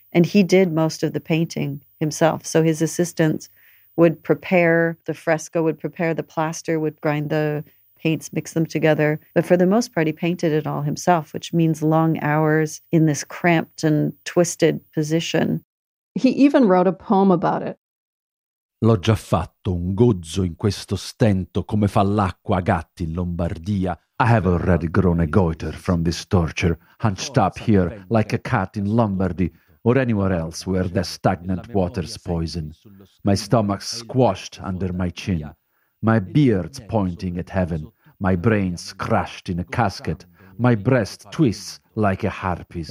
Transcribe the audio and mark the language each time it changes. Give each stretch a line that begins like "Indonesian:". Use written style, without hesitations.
English: And he did most of the painting himself. So his assistants would prepare the fresco, would prepare the plaster, would grind the paints, mix them together. But for the most part, he painted it all himself, which means long hours in this cramped and twisted position. He even wrote a poem about it.
Italian: L'ho già fatto un gozzo in questo stento come fa l'acqua a gatti in Lombardia.
English: I have already grown a goiter from this torture, hunched up here like a cat in Lombardy or anywhere else where the stagnant waters poison. My stomach's squashed under my chin, my beard's pointing at heaven, My brain's crushed in a casket. My breast twists like a harpy's.